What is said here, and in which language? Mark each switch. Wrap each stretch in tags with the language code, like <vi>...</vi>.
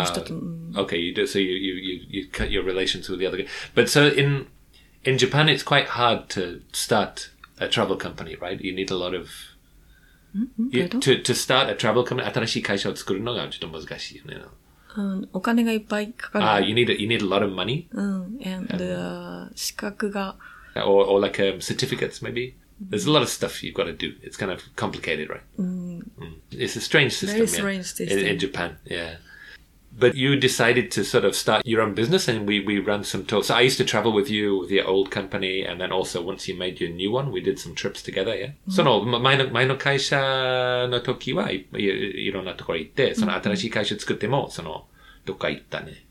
<en>You cut your relations with the other guy. But so in Japan, it's quite hard to start a travel company, right? You need a lot of to start a travel company.</en> <ja>新しい会社を作るのがちょっと難しいよね。お金がいっぱいかかる。</ja> <en>You need a lot of money. And</en> <ja>資格が.</ja> <en>Or like certificates, maybe. There's a lot of stuff you've got to do. It's kind of complicated, right? It's a strange system. Very strange system. In Japan, yeah. But you decided to sort of start your own business, and we ran some tours. So I used to travel with you with your old company, and then also once you made your new one, we did some trips together, yeah? Mm-hmm.</en> <ja>その前の会社の時はいろんなところ行って、その新しい会社作ってもそのどっか行ったね。</ja>